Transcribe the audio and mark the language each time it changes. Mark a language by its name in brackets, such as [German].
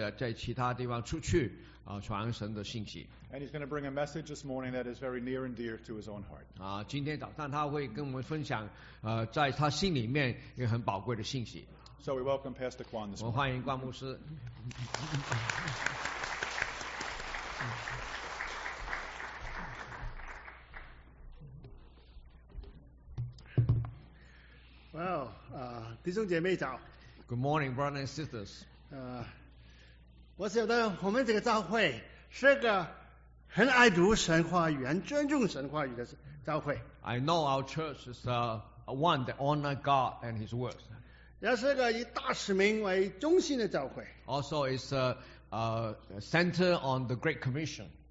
[Chinese] 他是神学院的教授，来训练那些的神的工人，不单是在中国，还是在其他地方出去传神的信息。 [English] And he's going to bring a message this morning that is very near and dear to his own heart. [Chinese] 今天早上他会跟我们分享，在他心里面有很宝贵的信息。 [English] So we welcome Pastor Kwan this morning. [Chinese] 我欢迎冠牧师。 Well, 弟兄姐妹早。 [English] Good morning, brothers and sisters. [Chinese] 我晓得我们这个教会是个很爱读神话语、很尊重神话语的教会。 [English] I know our church is one that honors God and His word. [Chinese] 也是个以大使命为中心的教会。 [English] Also, it's a center on the Great Commission.